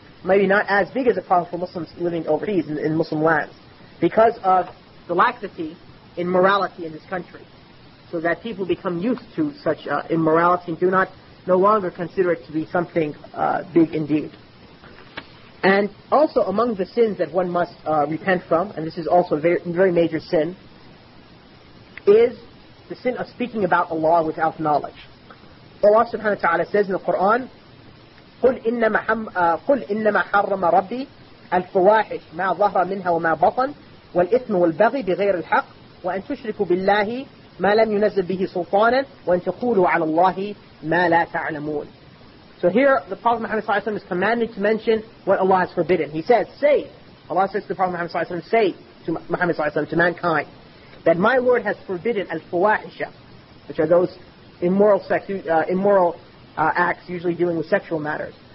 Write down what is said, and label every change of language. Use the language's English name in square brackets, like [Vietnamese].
[English] Maybe not as big as a problem for Muslims living overseas in Muslim lands, because of the laxity in morality in this country, so that people become used to such immorality and do not no longer consider it to be something big indeed. And also among the sins that one must repent from, and this is also a very, very major sin, is the sin of speaking about Allah without knowledge. [Arabic] Allah subhanahu wa ta'ala says in the Quran, قُلْ إِنَّمَا حَرَّمَ رَبِّي الْفُوَاحِشْ مَا ظَهْرَ مِنْهَا وَمَا بَطَنْ وَالْإِثْمُ وَالْبَغِي بِغَيْرِ الْحَقِّ وَأَنْ تُشْرِكُوا بِاللَّهِ مَا لَمْ يُنَزَّلْ بِهِ سُلْطَانًا وَأَنْ تَقُولُوا عَلَى اللَّهِ مَا لَا تَعْلَمُونَ. [English] So here, the Prophet Muhammad ﷺ is commanded to mention what Allah has forbidden. He says, say, Allah says to the Prophet Muhammad ﷺ, say to Muhammad ﷺ, to mankind, that my Lord has forbidden al-fawahisha, which are those immoral sex, acts, usually dealing with sexual matters.